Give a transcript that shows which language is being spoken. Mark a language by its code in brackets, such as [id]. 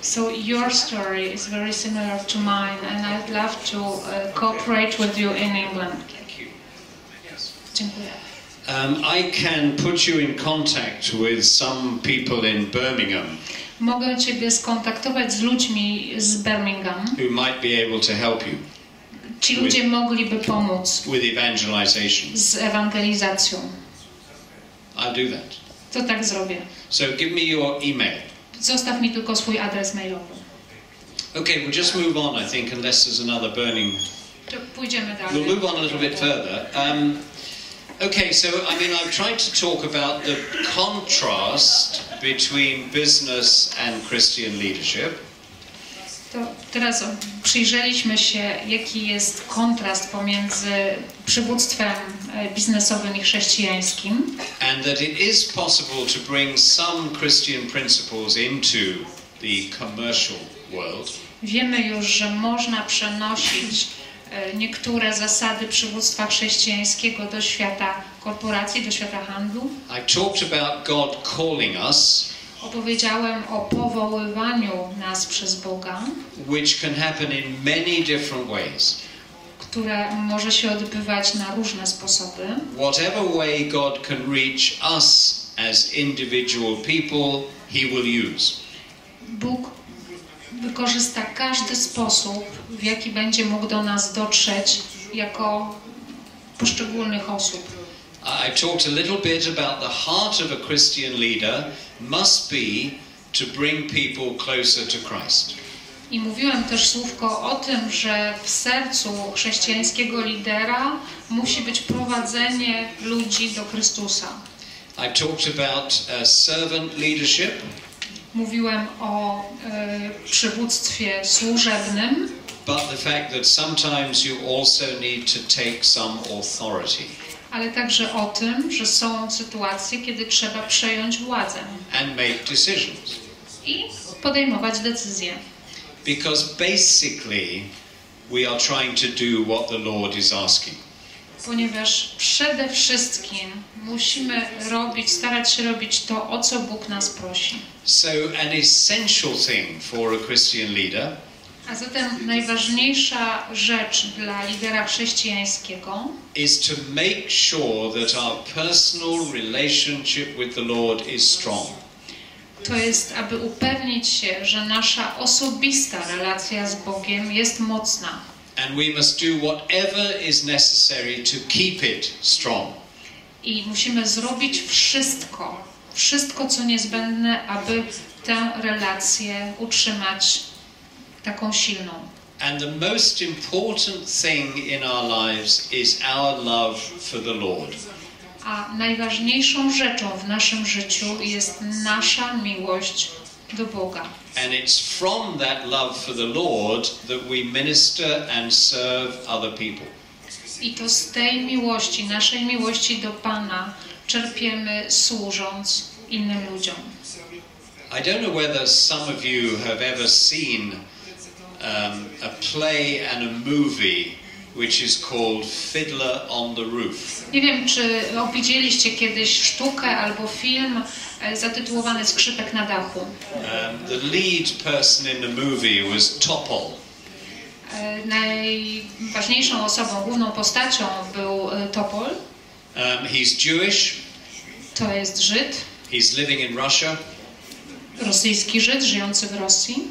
[en] So your story is very similar to mine and I'd love to cooperate with you in England. Thank you. Yes. [pl] Dziękuję. [en] I can put you in contact with some people in Birmingham. [pl] Mogę ciebie skontaktować z ludźmi z Birmingham. [en] Who might be able to help you? [pl] Ci ludzie mogliby pomóc. [en] With evangelization. [pl] Z ewangelizacją. [en] I'll do that. [pl] To tak zrobię. [en] So give me your email. [pl] Zostaw mi tylko swój adres mailowy. [en] Okay, we'll just move on, I think, unless there's another burning. [pl] To pójdziemy dalej. [en] We'll move on a little bit further. Okay, so I mean, I've tried to talk about the contrast between business and Christian leadership. [pl] To teraz przyjrzeliśmy się, jaki jest kontrast pomiędzy przywództwem biznesowym i chrześcijańskim. [en] And that it is possible to bring some Christian principles into the commercial world. [pl] Wiemy już, że można przenosić niektóre zasady przywództwa chrześcijańskiego do świata korporacji, do świata handlu. [en] I talked about God calling us. [pl] Opowiedziałem o powoływaniu nas przez Boga, [en] which can happen in many different ways. [pl] Które może się odbywać na różne sposoby. [en] Whatever way God can reach us as individual people, he will use. [pl] Bóg wykorzysta każdy sposób, w jaki będzie mógł do nas dotrzeć jako poszczególnych osób. [en] I talked a little bit about the heart of a Christian leader must be to bring people closer to Christ. [pl] I mówiłem też słówko o tym, że w sercu chrześcijańskiego lidera musi być prowadzenie ludzi do Chrystusa. [en] I talked about servant leadership. [pl] Mówiłem o przywództwie służebnym. [en] But the fact that sometimes you also need to take some authority. [pl] Ale także o tym, że są sytuacje, kiedy trzeba przejąć władzę. [en] And make decisions. [pl] I podejmować decyzje. [en] Because basically we are trying to do what the Lord is asking. [pl] Ponieważ przede wszystkim musimy robić, starać się robić to, o co Bóg nas prosi. [en] So an essential thing for a Christian leader. [pl] A zatem najważniejsza rzecz dla lidera chrześcijańskiego [en] is to make sure that our personal relationship with the Lord is strong. [pl] To jest, aby upewnić się, że nasza osobista relacja z Bogiem jest mocna. [en] And we must do whatever is necessary to keep it strong. [pl] I musimy zrobić wszystko, wszystko co niezbędne, aby tę relację utrzymać taką silną. [en] And the most important thing in our lives is our love for the Lord. [pl] A najważniejszą rzeczą w naszym życiu jest nasza miłość do Boga. [en] And it's from that love for the Lord that we minister and serve other people. [pl] I to z tej miłości, naszej miłości do Pana, czerpiemy służąc innym ludziom. [en] I don't know whether some of you have ever seen a play and a movie which is called Fiddler on the Roof. [pl] Nie wiem, czy widzieliście kiedyś sztukę albo film zatytułowany Skrzypek na dachu. [en] The lead person in the movie was Topol. [pl] Najważniejszą osobą, główną postacią był Topol. [en] He's Jewish. [pl] To jest Żyd. [en] He's living in Russia. [pl] Rosyjski Żyd żyjący w Rosji.